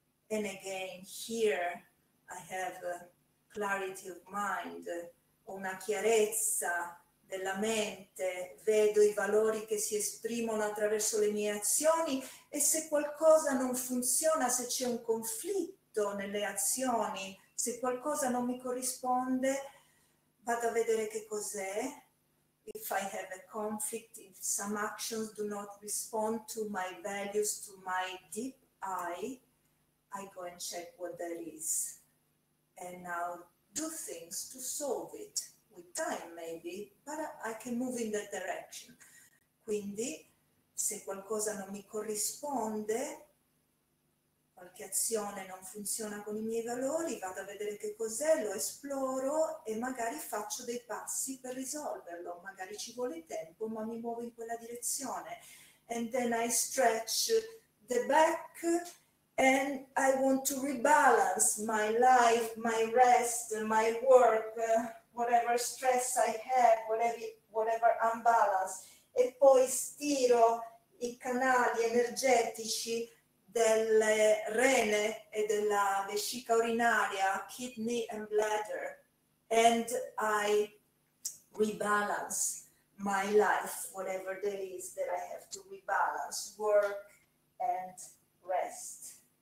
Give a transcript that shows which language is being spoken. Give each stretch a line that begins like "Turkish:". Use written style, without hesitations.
English: And again, here I have a clarity of mind,
Italian: una chiarezza della mente, vedo i valori che si esprimono attraverso le mie azioni e se qualcosa non funziona, se c'è un conflitto nelle azioni, se qualcosa non mi corrisponde, vado a vedere che cos'è.
English: If I have a conflict, if some actions do not respond to my values, to my deep eye, I go and check what that is. And I'll do things to solve it, with time maybe, but I can move in that direction.
Italian: Quindi, se qualcosa non mi corrisponde, qualche azione non funziona con i miei valori, vado a vedere che cos'è, lo esploro e magari faccio dei passi per risolverlo. Magari ci vuole tempo, ma mi muovo in quella direzione.
English: And then I stretch the back and I want to rebalance my life, my rest, my work, whatever stress I have, whatever imbalance.
Italian: E poi stiro i canali energetici delle rene e della vescica urinaria,
English: kidney and bladder,
Italian: and I rebalance my life, whatever there is that I have to rebalance, work and rest.